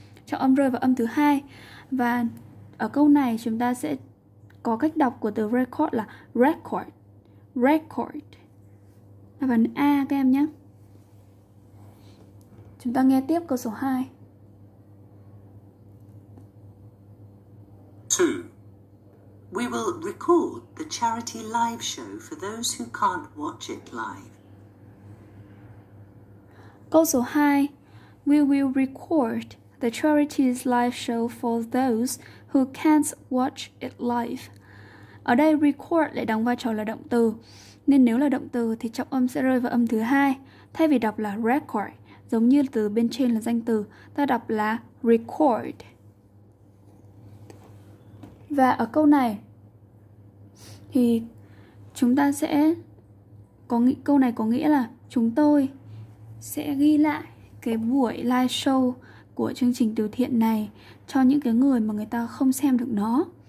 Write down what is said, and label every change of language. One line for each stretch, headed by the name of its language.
Vietnamese: Trọng âm rơi vào âm thứ hai. Và ở câu này chúng ta sẽ có cách đọc của từ record là record. Record. Là phần A các em nhé. Chúng ta nghe tiếp câu số 2. 2.
English: We will record the charity live show for those who can't watch it live. Câu số 2, we will record the charity's live show for those who can't watch it live.
Vietnamese: Ở đây record lại đóng vai trò là động từ, nên nếu là động từ thì trọng âm sẽ rơi vào âm thứ hai. Thay vì đọc là record, giống như từ bên trên là danh từ, ta đọc là record. Và ở câu này thì chúng ta sẽ có nghĩa, câu này có nghĩa là chúng tôi sẽ ghi lại cái buổi live show của chương trình từ thiện này cho những cái người mà người ta không xem được nó.